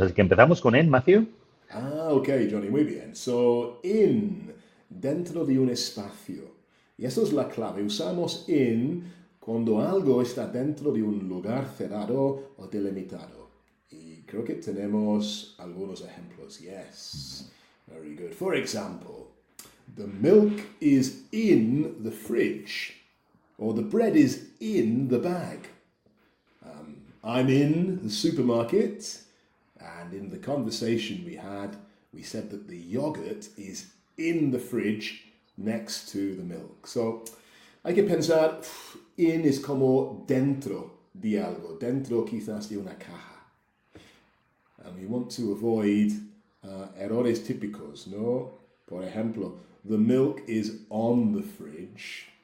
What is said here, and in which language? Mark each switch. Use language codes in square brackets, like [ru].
[es] Así que empezamos con en, Matthew. Ok, Johnny, muy bien. So, in, dentro de un espacio. Y eso es la clave. Usamos in cuando algo está dentro de un lugar cerrado o delimitado. Y creo que tenemos algunos ejemplos. [en] Yes, very good. For example, the milk is in the fridge. Or the bread is in the bag. I'm in the supermarket. And in the conversation we had, we said that the yogurt is in the fridge next to the milk. [es] So, hay que pensar, in es como dentro de algo, dentro quizás de una caja. [en] And we want to avoid [es] errores típicos, ¿no? Por ejemplo, [en] the milk is on the fridge.